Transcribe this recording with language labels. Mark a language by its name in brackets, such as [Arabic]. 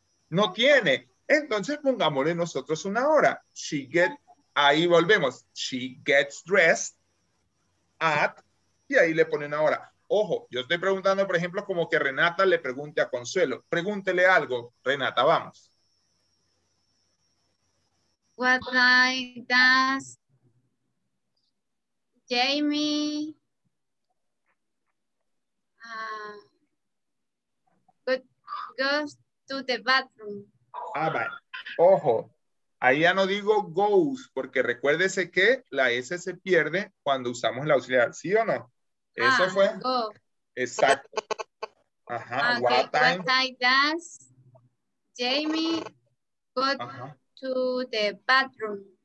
[Spanish] No tiene. Entonces pongámosle nosotros una hora. [English] She get, [Spanish] ahí volvemos. [English] She gets dressed at, [Spanish] y ahí le pone una hora. ojo, yo estoy preguntando, por ejemplo, como que Renata le pregunte a Consuelo. Pregúntele algo, Renata, vamos. [English] What time does Jamie go to the bathroom? [Spanish] Ah, vale. Ojo, ahí ya no digo goes, porque recuérdese que la S se pierde cuando usamos el auxiliar, ¿sí o no? Eso fue. [English] Go. [Spanish] Exacto. Ajá. [English] Okay, what time does Jamie go to the bathroom?